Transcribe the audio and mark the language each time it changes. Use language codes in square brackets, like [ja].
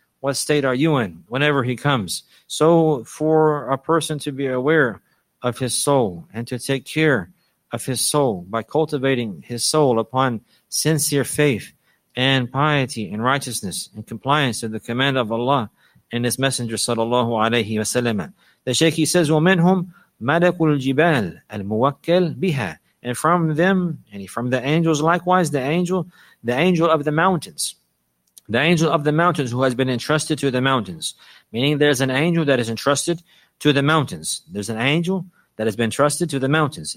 [en] What state are you in whenever he comes? So for a person to be aware of his soul and to take care of his soul by cultivating his soul upon sincere faith and piety and righteousness and compliance to the command of Allah and His Messenger sallallahu alayhi wa sallam. The Shaykh, he says, [ar] وَمِنْهُمْ مَلَكُ الْجِبَالِ الْمُوَكَّلِ بِهَا. [en] And from them, and from the angels likewise, the angel of the mountains who has been entrusted to the mountains. Meaning there's an angel that is entrusted to the mountains. There's an angel that has been entrusted to the mountains.